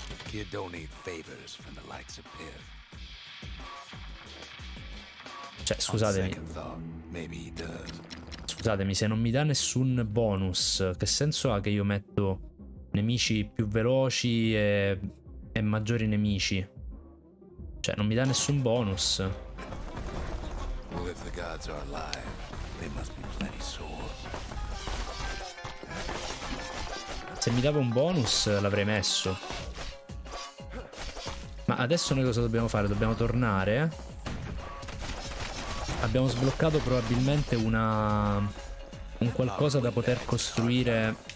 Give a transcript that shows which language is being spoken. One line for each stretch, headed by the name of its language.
English: Kid don't need favors from the likes of Pith.
Italian: Cioè, scusatemi. Scusatemi, se non mi dà nessun bonus, che senso ha che io metto nemici più veloci e maggiori nemici? Cioè, non mi dà nessun bonus.
English: Well, if the gods are alive, they must be plenty sore.
Italian: Se mi dava un bonus l'avrei messo. Ma adesso noi cosa dobbiamo fare? Dobbiamo tornare. Abbiamo sbloccato probabilmente una... un qualcosa da poter costruire.